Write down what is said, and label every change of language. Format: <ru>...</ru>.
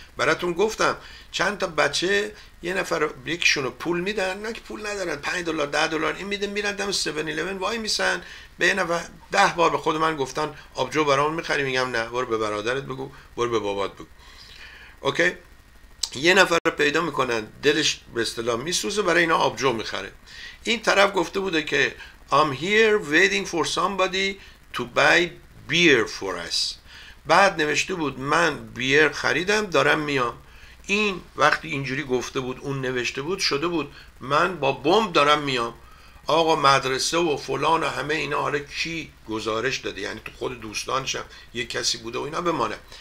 <fa>براتون گفتم چند تا بچه یه نفر یکشون رو پول میدن، نه که پول ندارن، 5 دلار 10 دلار این میدن، میرن دم 7-11 وای میسن، به یه نفر 10 بار به خود من گفتن آبجو برامون میخری، میگم نه، برو به برادرت بگو، برو به بابات بگو، اوکی؟ یه نفر رو پیدا میکنن دلش به اصطلاح میسوزه، برای اینا آبجو میخره. این طرف گفته بوده که</fa> <en>I'm here waiting for somebody to buy beer for us.</en> <fa>بعد نوشته بود من بیر خریدم دارم میام. این وقتی اینجوری گفته بود، اون نوشته بود، شده بود من با بمب دارم میام. آقا مدرسه و فلان و همه اینا، حالا کی گزارش داده؟ یعنی تو خود دوستانش هم یه کسی بوده و اینا بمانه.</fa>